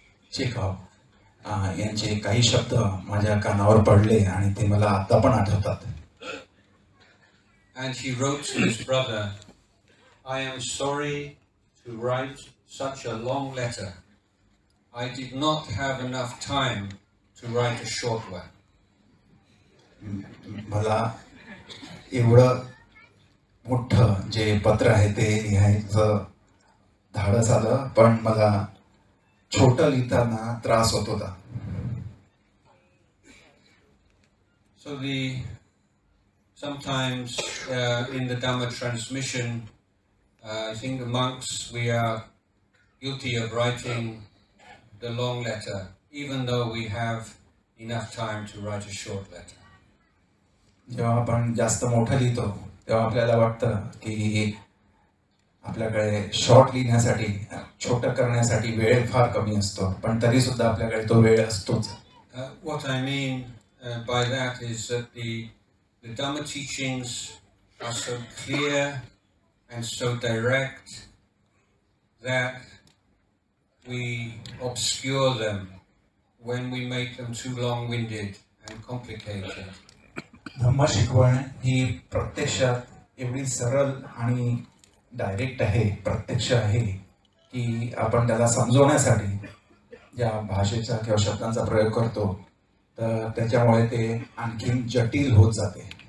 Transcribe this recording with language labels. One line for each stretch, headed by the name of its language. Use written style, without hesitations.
Marathi: Chekhov, यांचे काही शब्द माझ्या कानावर पडले आणि ते मला आता पण आठवतात.
English: And he wrote to his brother, I am sorry to write such a long letter. I did not have enough time to write a short one.
Marathi: मला एवढं मोठं जे पत्र आहे ते लिहायचं धाडस आलं पण मला छोटा लिहिताना त्रास होत होता.
English: So the sometimes in the Dhamma transmission, I think the monks, we are guilty of writing the long letter, even though we have enough time to write a short letter.
Marathi: जेव्हा आपण जास्त मोठा लिहितो तेव्हा आपल्याला वाटतं की आपल्याकडे शॉर्ट लिहिण्यासाठी छोट करण्यासाठी वेळ फार कमी असतो पण तरी सुद्धा आपल्याकडे तो वेळ असतोच.
English: What I mean by that is that the Dhamma teachings are so clear and so direct that we obscure them when we make them too long-winded and complicated.
Marathi: Dhamma शिकवण ही प्रत्यक्षात एवढी सरळ आणि डायरेक्ट आहे प्रत्यक्ष आहे की आपण त्याला समजवण्यासाठी ज्या भाषेचा किंवा शब्दांचा प्रयोग करतो तर त्याच्यामुळे ते आणखी जटिल होत जाते.